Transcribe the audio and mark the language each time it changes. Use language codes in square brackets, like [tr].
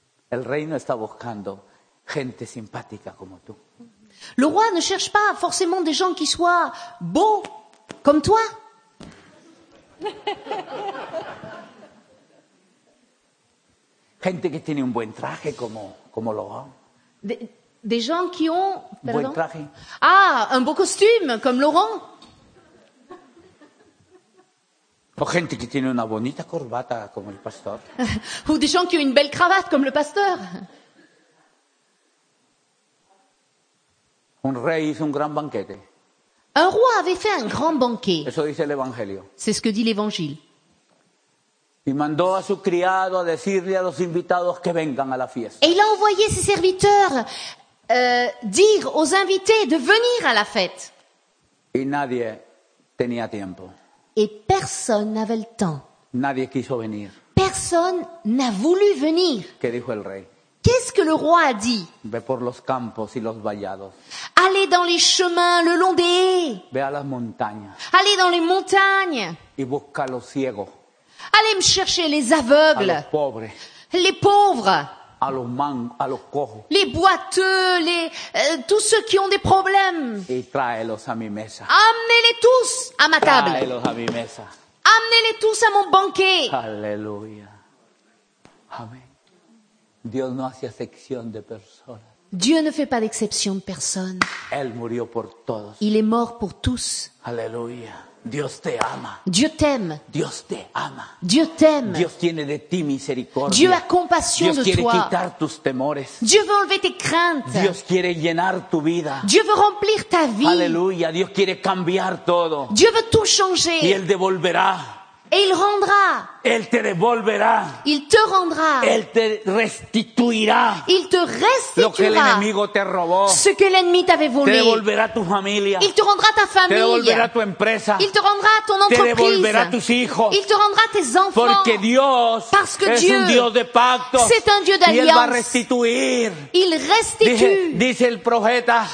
[es] El rey no está buscando gente simpática como tú. [fr] Le roi ne cherche pas forcément des gens qui soient beaux comme toi. [es] Gente que tiene un buen traje como lo va. [fr] Des gens qui ont [es] buen traje. [fr] Ah, un beau costume comme Laurent. [es] O gente que tiene una bonita corbata como el pastor. [fr] Ou des gens qui ont une belle cravate comme le pasteur. [es] Un rey hizo un gran banquete. [fr] Un roi avait fait un grand banquet. [es] Eso dice l'Evangelio. [fr] C'est ce que dit l'Évangile. [es] Y mandó a su criado a decirle a los invitados que vengan a la fiesta. [fr] Et il a envoyé ses serviteurs dire aux invités de venir à la fête. [es] Y nadie tenía tiempo. [fr] Et personne n'avait le temps. [es] Nadie quiso venir. [fr] Personne n'a voulu venir. [es] ¿Qué dijo el rey? [fr] Qu'est-ce que le roi a dit? [es] Ve por los campos y los vallados. [fr] Allez dans les chemins, le long des haies. [es] Ve a las montañas. [fr] Allez dans les montagnes. [es] Y busca a los ciegos. [fr] Allez me chercher les aveugles. [es] A los pobres. [fr] Les pauvres. [es] A los mangos, a los cojos. [fr] Les boiteux, tous ceux qui ont des problèmes. [es] Y tráelos a mi mesa. [fr] Amenez-les tous à ma table. [es] Tráelos a mi mesa. [fr] Amenez-les tous à mon banquet. Alléluia. Amen. [es] Dios no hace excepción de personas. [fr] Dieu ne fait pas d'exception de personne. [es] Él murió por todos. [fr] Il est mort pour tous. [es] Alléluia. Dios te ama. [fr] Dieu t'aime. [es] Dios te ama. [fr] Dieu t'aime. [es] Dios tiene de ti misericordia. [fr] Dieu a compassion [es] Dios [fr] de toi. [es] Dios quiere quitar tus temores. [fr] Dieu veut enlever tes craintes. [es] Dios quiere llenar tu vida. [fr] Dieu veut remplir ta vie. Alléluia. [es] Dios quiere cambiar todo. [fr] Dieu veut tout changer. [es] Y él devolverá. [fr] Et il rendra. [es] Él te devolverá. [fr] Il te rendra. [es] Él te restituirá. [fr] Il te restituirá. [es] Lo que el enemigo te robó. [fr] Ce que l'ennemi t'avait volé. [es] Te devolverá tu familia. [fr] Il te rendra ta famille. [es] Te devolverá tu empresa. [fr] Il te rendra ton entreprise. [es] Te devolverá tus hijos. [fr] Il te rendra tes enfants. [es] Porque Dios [fr] Parce que [es] es [fr] Dieu [es] un Dios de pacto. [fr] C'est un Dieu d'alliance. [es] Y él va a restituir. [fr] Il restitue. [es] Dice el profeta.